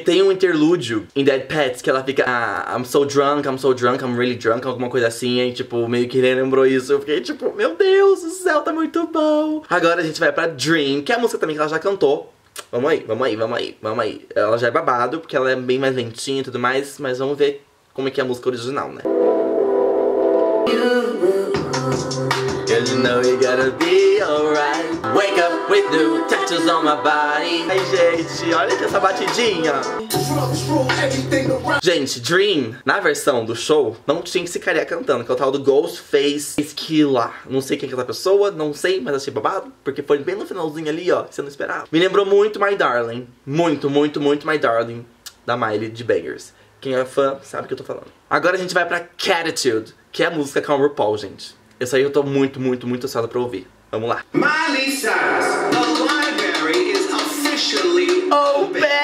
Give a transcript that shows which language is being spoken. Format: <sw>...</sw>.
<pt>Tem um interlúdio em Dead Pets que ela fica, ah,</pt> <en>I'm so drunk, I'm really drunk,</en> <pt>alguma coisa assim, aí tipo, meio que lembrou isso, eu fiquei tipo, meu Deus, o céu tá muito bom. Agora a gente vai pra Dream, que é a música também que ela já cantou. Vamos aí, vamos aí, vamos aí, vamos aí. Ela já é babado, porque ela é bem mais lentinha e tudo mais, mas vamos ver como é que é a música original, né?</pt> <en>Cause you know you gotta be alright. Wake up with new tattoos on my body.</en> <pt>Ai, gente, olha aqui essa batidinha. Gente, Dream, na versão do show, não tinha esse cara cantando, que é o tal do Ghostface Killah. Não sei quem é aquela pessoa, não sei, mas achei babado, porque foi bem no finalzinho ali, ó, você não esperava. Me lembrou muito My Darling. Muito, muito, muito My Darling, da Miley, de Bangers. Quem é fã sabe o que eu tô falando. Agora a gente vai pra Catitude, que é a música com o RuPaul, gente. Essa aí eu tô muito, muito, muito ansiosa pra ouvir. Vamos lá.</pt> <en>Miley Cyrus, the library is officially open.</en>